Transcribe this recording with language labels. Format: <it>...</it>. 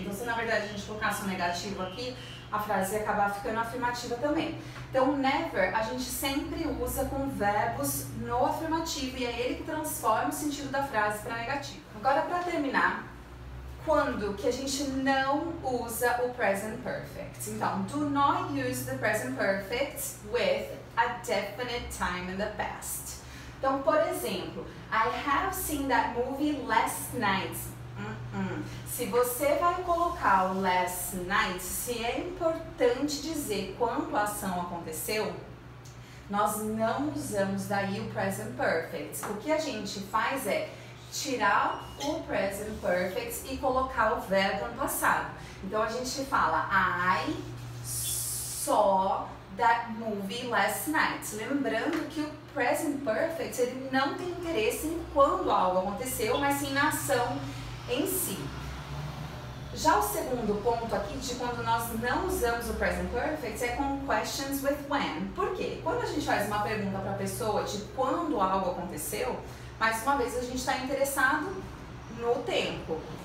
<pt>Então, se na verdade a gente colocasse um negativo aqui, a frase ia acabar ficando afirmativa também. Então, never, a gente sempre usa com verbos no afirmativo e é ele que transforma o sentido da frase para negativo. Agora, para terminar, quando que a gente não usa o present perfect? Então,</pt> <en>do not use the present perfect with a definite time in the past. Então, por exemplo, I have seen that movie last night.</en> <pt>Se você vai colocar o last night, se é importante dizer quando a ação aconteceu, nós não usamos daí o present perfect. O que a gente faz é tirar o present perfect e colocar o verbo no passado. Então, a gente fala,</pt> <en>I saw that movie last night.</en> <pt>Lembrando que o present perfect, ele não tem interesse em quando algo aconteceu, mas sim na ação em si. Já o segundo ponto aqui de quando nós não usamos o present perfect é com</pt> <en>questions with when.</en> <pt>Por quê? Quando a gente faz uma pergunta para a pessoa de quando algo aconteceu, mais uma vez a gente está interessado no tempo.</pt>